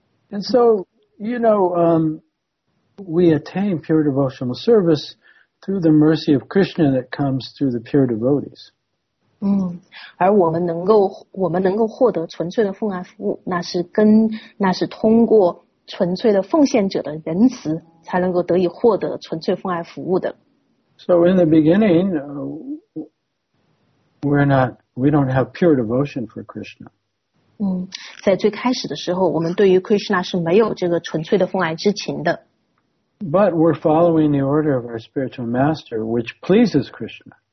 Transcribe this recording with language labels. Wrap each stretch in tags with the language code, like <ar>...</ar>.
<en>And so you know, we attain pure devotional service through the mercy of Krishna that comes through the pure devotees.</en> <zh>而我们能够获得纯粹的奉爱服务，那是通过纯粹的奉献者的仁慈才能够得以获得纯粹奉爱服务的。</zh> <en>So in the beginning, we don't have pure devotion for Krishna.</en> <zh>在最开始的时候，我们对于 Krishna 是没有这个纯粹的奉爱之情的。</zh> <en>But we're following the order of our spiritual master, which pleases Krishna.</en>